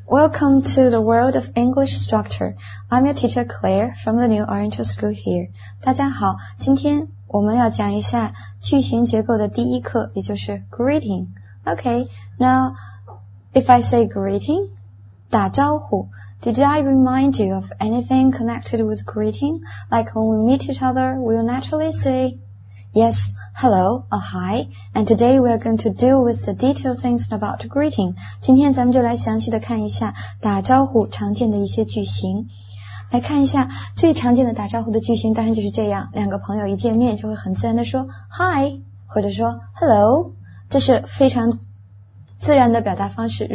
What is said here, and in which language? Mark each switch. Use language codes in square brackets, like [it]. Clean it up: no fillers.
[en] Welcome to the World of English Structure. I'm your teacher, Claire, from the New Oriental School here. [zh] 大家好，今天我们要讲一下句型结构的第一课，也就是 greeting. [en] Okay, now, if I say greeting, [zh] 打招呼 [en] did I remind you of anything connected with greeting? Like when we meet each other, we'll naturally say... Yes, hello, or hi, and today we are going to deal with the detailed things about greeting. [zh] 今天咱们就来详细的看一下打招呼常见的一些句型。来看一下最常见的打招呼的句型，当然就是这样，两个朋友一见面就会很自然的说 hi, 或者说 hello, 这是非常自然的表达方式。